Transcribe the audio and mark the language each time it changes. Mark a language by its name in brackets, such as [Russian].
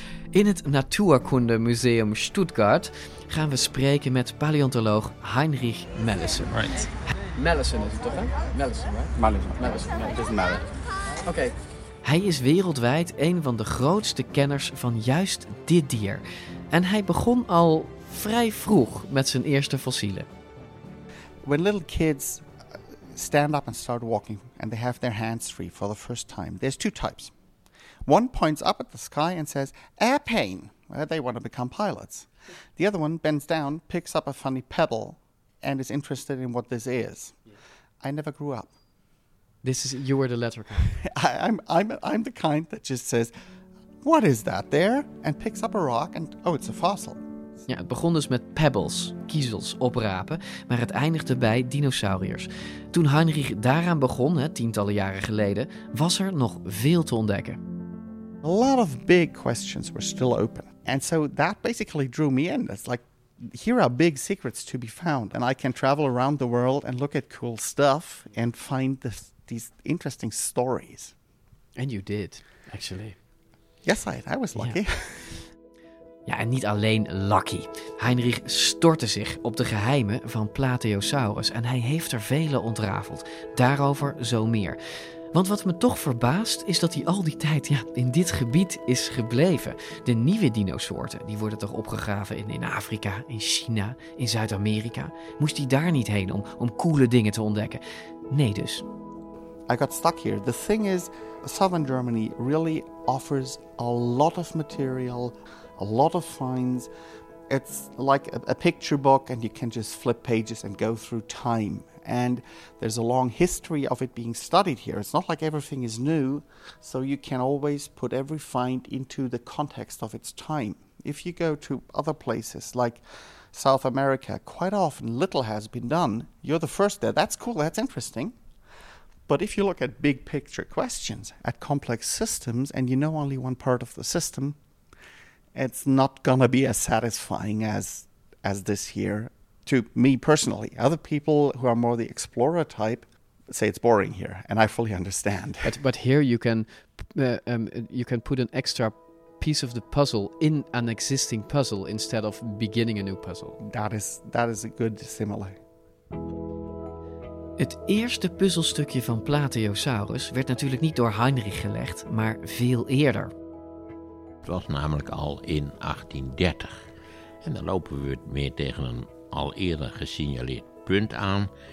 [Dutch] In het Natuurkundemuseum Stuttgart gaan we spreken met paleontoloog Heinrich Mellissen. [English] Right. [Dutch] Mellissen is het toch, hè? Mellissen. Oké. Hij is wereldwijd een van de grootste kenners van juist dit dier. En hij begon al vrij vroeg met zijn eerste fossielen. [English] When little kids stand up and start walking and they have their hands free for the first time, there's two types. One points up at the sky and says, airplane, where they want to become pilots. The other one bends down, picks up a funny pebble and is interested in what this is. I never grew up. You were the latter kind. I'm the kind that just says, what is that there? And picks up a rock and, oh, it's a fossil. [Dutch] Ja, het begon dus met pebbles, kiezels, oprapen, maar het eindigde bij dinosauriërs. Toen Heinrich daaraan begon, hè, tientallen jaren geleden, was er nog veel te ontdekken. [English] A lot of big questions were still open. And so that basically drew me in. It's like, here are big secrets to be found. And I can travel around the world and look at cool stuff and find these interesting stories. And you did, actually. Yes, I was lucky. Yeah. [Dutch] Ja, en niet alleen Lucky. Heinrich stortte zich op de geheimen van Plateosaurus en hij heeft er vele ontrafeld. Daarover zo meer. Want wat me toch verbaast is dat hij al die tijd in dit gebied is gebleven. De nieuwe dinosoorten, die worden toch opgegraven in Afrika, in China, in Zuid-Amerika. Moest hij daar niet heen om coole dingen te ontdekken? Nee dus. [English] I got stuck here. The thing is, Southern Germany really offers a lot of material, a lot of finds. It's like a picture book and you can just flip pages and go through time. And there's a long history of it being studied here. It's not like everything is new, so you can always put every find into the context of its time. If you go to other places like South America, quite often little has been done. You're the first there. That's cool. That's interesting. But if you look at big picture questions, at complex systems, and you know only one part of the system, it's not gonna be as satisfying as this here. To me personally, other people who are more the explorer type say it's boring here, and I fully understand. But here you can put an extra piece of the puzzle in an existing puzzle instead of beginning a new puzzle. That is a good simile. [Dutch] Het eerste puzzelstukje van Plateosaurus werd natuurlijk niet door Heinrich gelegd, maar veel eerder. Het was namelijk al in 1830, en dan lopen we weer tegen een al eerder gesignaleerd punt aan.